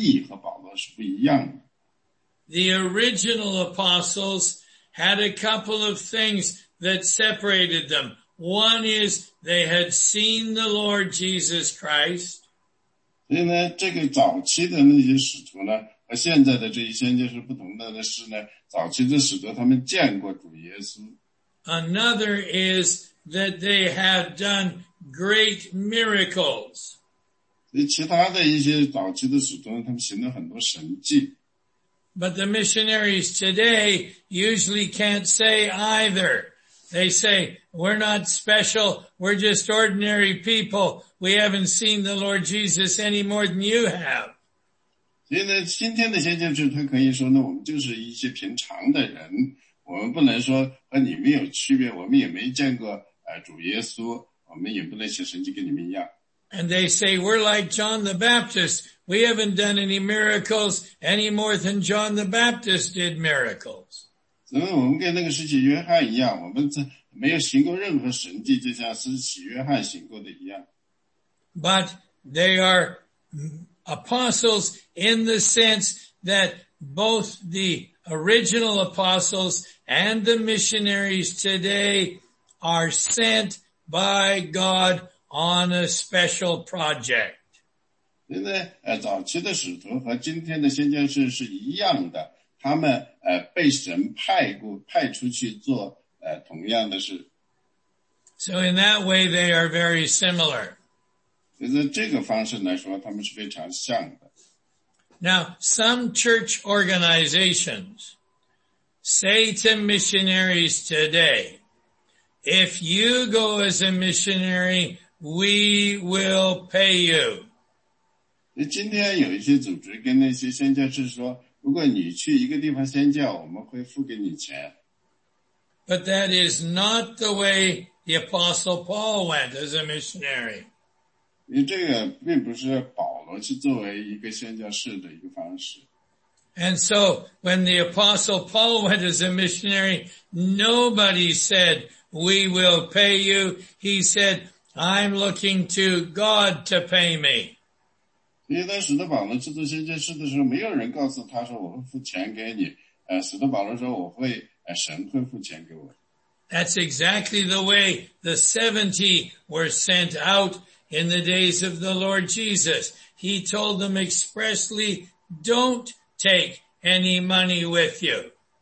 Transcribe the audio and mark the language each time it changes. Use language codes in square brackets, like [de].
[zh] 因为他们做那个使徒保罗一样的工作，但是他们那个使徒的意义和保罗是不一样的。 [en] The original apostles had a couple of things that separated them. One is they had seen the Lord Jesus Christ. [zh] 所以呢，这个早期的那些使徒呢，和现在的这一些就是不同的是呢，早期的使徒他们见过主耶稣。 [en] Another is that they have done great miracles. [zh] 其他的一些早期的使徒呢，他们行了很多神迹。 [en] But the missionaries today usually can't say either. They say, we're not special, we're just ordinary people. We haven't seen the Lord Jesus any more than you have. [zh] 所以呢，今天的宣教士他可以说呢，我们就是一些平常的人。我们不能说和你们有区别，我们也没见过主耶稣，我们也不能写神迹跟你们一样。 [en] And they say, we're like John the Baptist. We haven't done any miracles any more than John the Baptist did miracles. [zh] 怎么我们跟那个使徒约翰一样，我们没有行过任何神迹，就像使徒约翰行过的一样。 [en] But they are apostles in the sense that both the original apostles and the missionaries today are sent by God on a special project. [zh] 现在早期的使徒和今天的先见士是一样的，他们被神派出去做同样的事。 [en] So in that way they are very similar. [zh] 就是这个方式来说，他们是非常像的。 [en] Now, some church organizations say to missionaries today, if you go as a missionary, we will pay you. [zh] 今天有一些组织跟那些宣教士说，如果你去一个地方宣教，我们会付给你钱。 [en] But that is not the way the Apostle Paul went as a missionary. [zh] 这个并不是保罗去作为一个宣教士的一个方式。 [en] And so, when the Apostle Paul went as a missionary, nobody said, we will pay you. He said, I'm looking to God to pay me. [zh] 因为当使徒保罗去做宣教士的时候，没有人告诉他说我会付钱给你。使徒保罗说我会，神会付钱给我。 [en] That's exactly the way the 70 were sent out in the days of the Lord Jesus. He told them expressly, don't take any money with you.